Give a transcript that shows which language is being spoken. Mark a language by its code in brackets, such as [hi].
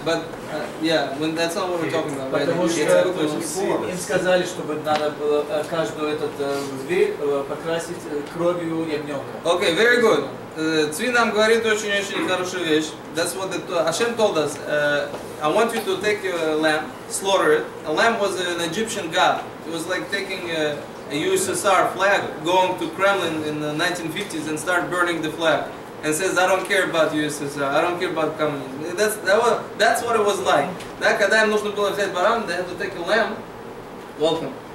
[en] But yeah, that's not what we're talking about. [ru] Потому что им сказали, чтобы надо было каждую этот зверь покрасить кровью ягненка. [en] Окей, very good. [ru] Цви нам говорит очень-очень хорошую вещь. [en] That's what Hashem told us. I want you to take your lamb, slaughter it. A lamb was an Egyptian god. It was like taking a USSR flag, going to Kremlin in the 1950s and start burning the flag. And says, I don't care about USSR, I don't care about communism. That's what it was like. [ru] Когда им нужно было взять баран, [en] they had to take a lamb. Welcome.